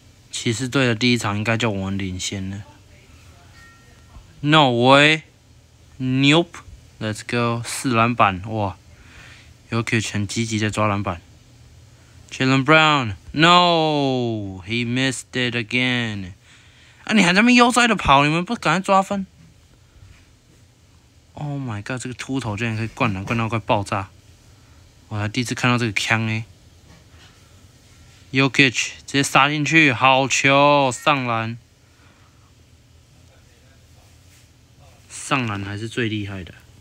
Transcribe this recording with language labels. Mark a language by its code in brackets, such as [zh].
[zh] 骑士队的第一场应该叫我们领先了。 [en] No way, nope. Let's go. [zh] 4篮板，哇 ！Jokic 很积极的抓篮板。 [en] Jalen Brown, no, he missed it again. [zh] 啊，你还在那边悠哉的跑，你们不赶快抓分 ？ [en] Oh my god， [zh] 这个秃头竟然可以灌篮，灌到快爆炸！我还第一次看到这个枪哎。Jokic 直接杀进去，好球，上篮，上篮还是最厉害的。